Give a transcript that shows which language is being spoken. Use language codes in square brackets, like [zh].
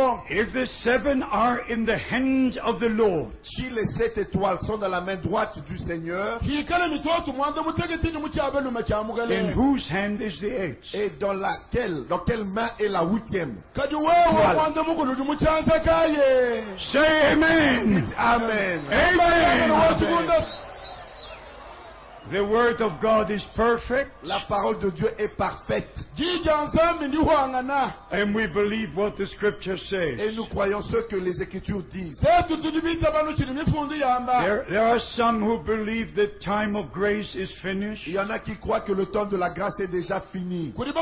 [en] If the seven are in the hand of the Lord, [fr] si les sept étoiles sont dans la main droite du Seigneur, [en] in whose hand is the eighth? [fr] Et dans quelle main est la huitième? Voilà. [en] Say amen. Amen. Amen. Amen. The word of God is perfect. [fr] La parole de Dieu est parfaite. [en] And we believe what the scripture says. [fr] Et nous croyons ce que les écritures disent. [en] There are some who believe the time of grace is finished. [fr] Il y en a qui croient que le temps de la grâce est déjà fini.